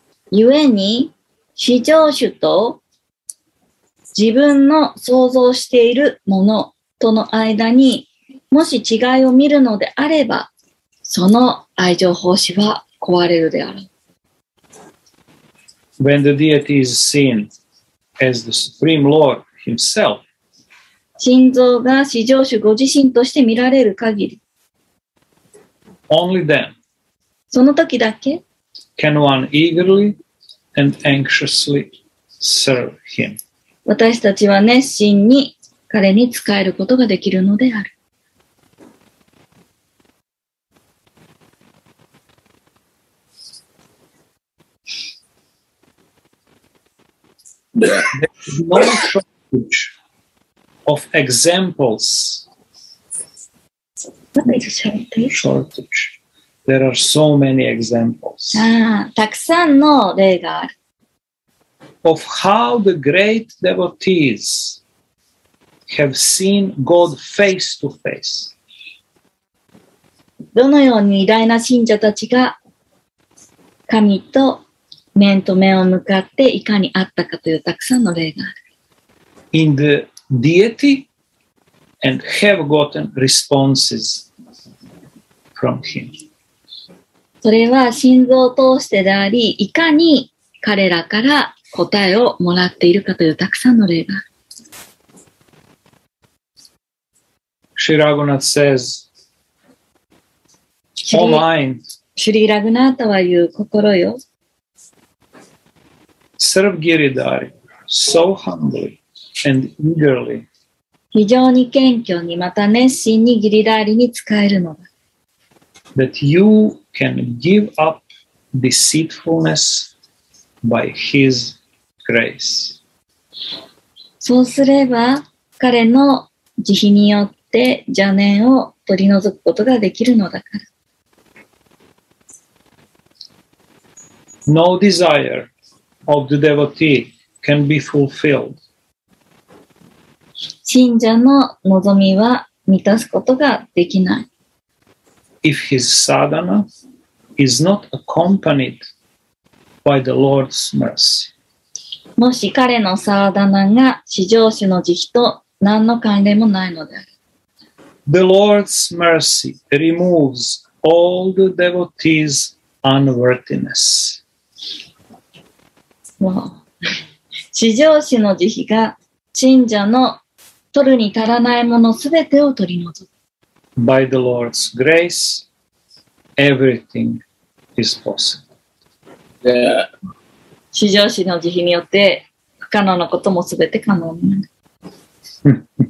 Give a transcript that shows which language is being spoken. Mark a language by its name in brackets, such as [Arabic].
[Japanese] ゆえに、至上主と自分の想像しているもの、との間にもし違いを見るのであればその愛情奉仕は壊れるである。 [English] When the deity is seen as the Supreme Lord himself, [Japanese] 神像が至上主ご自身として見られる限り [English] Only then, [Japanese] その時だけ [English] can one eagerly and anxiously serve him. [Japanese] 私たちは熱心に彼に仕えることができるのである。 [English] No shortage of examples. What is shortage? Shortage. There are so many examples. [Japanese] たくさんの例がある。 [English] Of how the great devotees. Have seen God face to face. [Japanese] どのように偉大な信者たちが神と面と面を向かっていかにあったかというたくさんの例がある。 [English] In the deity and have gotten responses from him. [Japanese] それは心臓を通してであり、いかに彼らから答えをもらっているかというたくさんの例がある。 [English] Shri Raghunath says, O mind, [Japanese] Shri Raghunatha は言う心よ [English] serve Giridhari so humbly and eagerly. [Japanese] 非常に謙虚にまた熱心にギリダーリに仕えるのだ [English] That you can give up deceitfulness by his grace. [Japanese] そうすれば彼の慈悲によってで邪念を取り除くことができるのだから。 [English] No desire of the devotee can be fulfilled. [Japanese] 信者の望みは満たすことができない。 [English] If his sadhana is not accompanied by the Lord's mercy. [Japanese] もし彼のサーダナが至上主の慈悲と何の関連もないのである。 [English] The Lord's mercy removes all the devotees' unworthiness. Wow. [Japanese] 至上主の慈悲が信者の取るに足らないものすべてを取り除く。 [English] By the Lord's grace, everything is possible. Yeah. [Japanese] 至上主の慈悲によって不可能なこともすべて可能になる。